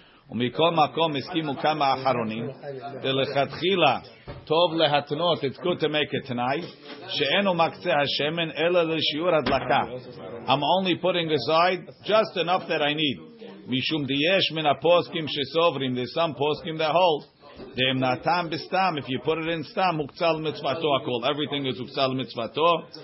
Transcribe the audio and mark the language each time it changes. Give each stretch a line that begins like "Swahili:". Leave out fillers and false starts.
Hebrew: ומכל מקום הסכימו כמה אחרונים, ולכתחילה טוב להתנות את קוטמק התנאי, שאינו מקצה השמן אלא לשיעור הדלקה.
English: I'm only putting aside just enough that I need.
Hebrew: משום דיש מן הפוסקים שסוברים,
English: there's some פוסקים that hold.
Hebrew: דאם נתם בסתם,
English: if you put it in סתם,
Hebrew: מוקצה למצוותו הכל.
English: Everything is מוקצה למצוותו.